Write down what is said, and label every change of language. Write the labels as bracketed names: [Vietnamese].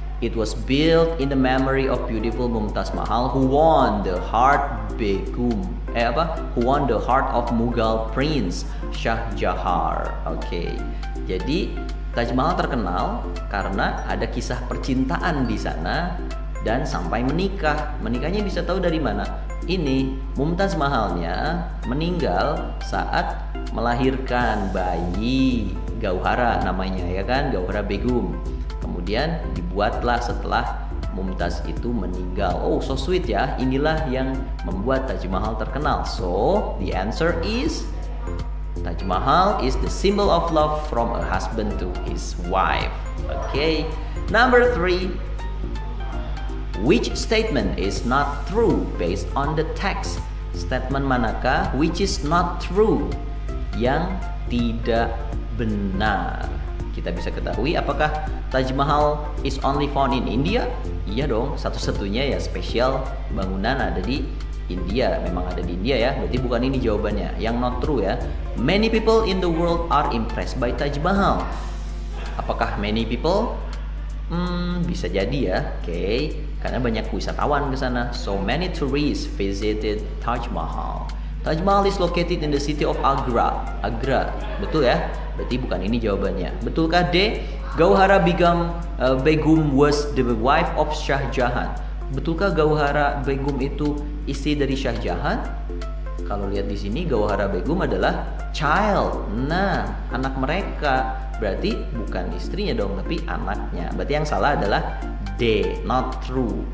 [English] It was built in the memory of beautiful Mumtaz Mahal who won the heart Begum. Who won the heart of Mughal Prince Shah Jahar. Okay. [Indonesian] Jadi Taj Mahal terkenal karena ada kisah percintaan di sana dan sampai menikah. Menikahnya bisa tahu dari mana? Ini Mumtaz Mahalnya meninggal saat melahirkan bayi Gauhara namanya ya kan, Gauhara Begum. Kemudian dibuatlah setelah Mumtaz itu meninggal. Oh, [English] so sweet [Indonesian] ya. Inilah yang membuat Taj Mahal terkenal. [English] So, the answer is Taj Mahal is the symbol of love from a husband to his wife. Okay. Number 3. Which statement is not true based on the text? [Indonesian] Statement manakah [English] which is not true? [Indonesian] Yang tidak benar. Kita bisa ketahui apakah Taj Mahal [English] is only found in India? [Indonesian] Iya dong, satu-satunya ya spesial bangunan ada di India. Memang ada di India ya, berarti bukan ini jawabannya. Yang [English] not true [Indonesian] ya. [English] Many people in the world are impressed by Taj Mahal. [Indonesian] Apakah [English] many people? [Indonesian] Bisa jadi ya. Oke, okay. Karena banyak wisatawan ke sana. [English] So many tourists visited Taj Mahal. Taj Mahal is located in the city of Agra. [Indonesian] Agra, betul ya? Berarti bukan ini jawabannya. Betulkah D? [English] Gauhara Begum was the wife of Shah Jahan. [Indonesian] Betulkah Gauhara Begum itu istri dari Shah Jahan? Kalau lihat di sini, Gauhara Begum adalah child. Nah, anak mereka. Berarti bukan istrinya dong, tapi anaknya. Berarti yang salah adalah D, [English] not true.